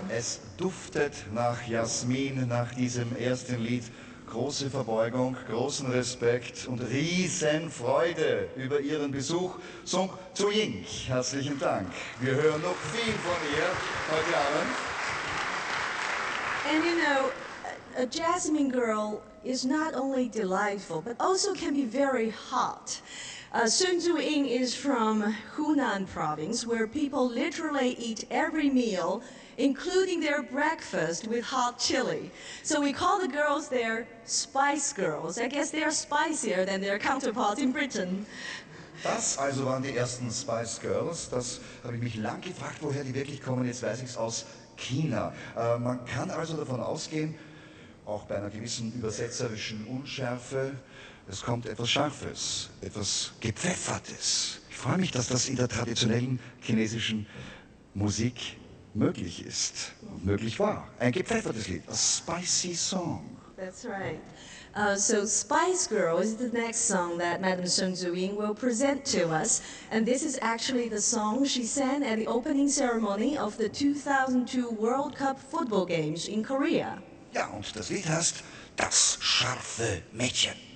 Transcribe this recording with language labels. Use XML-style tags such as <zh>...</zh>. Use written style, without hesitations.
<de>Es duftet nach Jasmin nach diesem ersten Lied. Große Verbeugung, großen Respekt und Riesenfreude über Ihren Besuch. Song Zu Ying, herzlichen Dank. Wir hören noch viel von ihr heute Abend.</de> <en>And you know, a Jasmine girl is not only delightful, but also can be very hot. Sun Zu Ying is from Hunan province, where people literally eat every meal, including their breakfast, with hot chili. So we call the girls there spice girls. I guess they are spicier than their counterparts in Britain.</en> <de>Das also waren die ersten Spice Girls. Das habe ich mich lang gefragt, woher die wirklich kommen. Jetzt weiß ich es aus China. Man kann also davon ausgehen, auch bei einer gewissen übersetzerischen Unschärfe, es kommt etwas Scharfes, etwas Gepfeffertes. Ich freue mich, dass das in der traditionellen chinesischen Musik möglich ist, möglich war. Ein gepfeffertes Lied,</de> <en>a spicy song. That's right. So Spice Girl is the next song that Madame Sun Zu Ying will present to us. And this is actually the song she sang at the opening ceremony of the 2002 World Cup Football Games in Korea.</en> <de>Ja, und das Lied heißt Das scharfe Mädchen.</de>